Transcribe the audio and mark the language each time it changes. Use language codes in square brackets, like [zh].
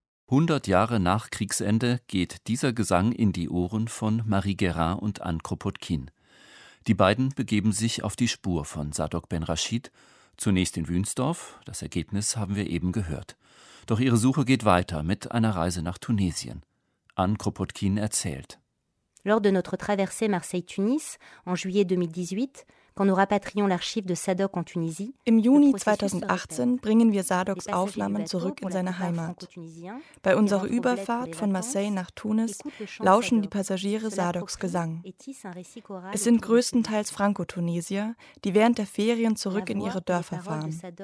[de] 100 Jahre nach Kriegsende geht dieser Gesang in die Ohren von Marie Guérin und Anne Kropotkin. Die beiden begeben sich auf die Spur von Sadok Berashit, zunächst in Wünsdorf, das Ergebnis haben wir eben gehört. Doch ihre Suche geht weiter mit einer Reise nach Tunesien. Anne Kropotkin erzählt. [fr] Lors de notre traversée Marseille-Tunis en juillet 2018, quand nous rapatrions l'archive de Sadok en Tunisie, [de] im Juni 2018 bringen wir Sadoks Aufnahmen zurück in seine Heimat. Bei unserer Überfahrt von Marseille nach Tunis lauschen die Passagiere Sadoks Gesang. Es sind größtenteils Franco-Tunesier, die während der Ferien zurück in ihre Dörfer fahren.